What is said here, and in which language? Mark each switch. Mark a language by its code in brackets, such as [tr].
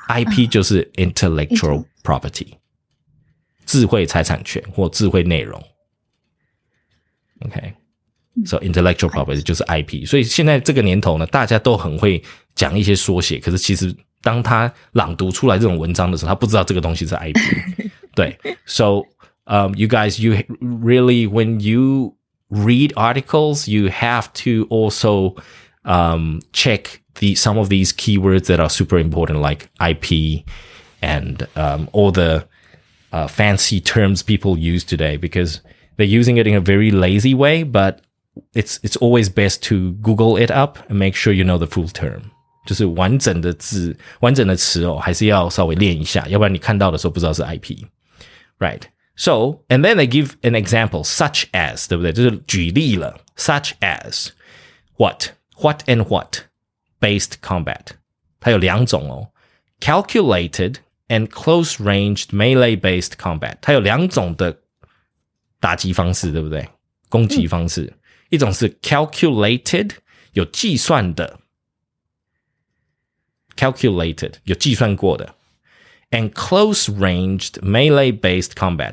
[zh] IP 就是 intellectual property， 智慧财产权或智慧内容。 [en] OK， so intellectual property 就是 IP。 [zh] 所以现在这个年头呢，大家都很会讲一些缩写，可是其实当他朗读出来这种文章的时候，他不知道这个东西是 IP。对 [en] ，so you guys, you really when you read articles, you have to also check some of these keywords that are super important, like IP and all the fancy terms people use today, because they're using it in a very lazy way, but it's always best to Google it up and make sure you know the full term. [zh] 就是完整的词哦，还是要稍微练一下，要不然你看到的时候不知道是 IP. [en] Right. So, and then they give an example, such as, [zh] 对不对？就是举例了 [en] such as what? What and what based combat? [zh] 它有两种哦 [en] calculated and close ranged melee based combat. [zh] 它有两种的打击方式，对不对？攻击方式，一种是 calculated 有计算的 ，calculated 有计算过的 ， [en] and close ranged melee based combat.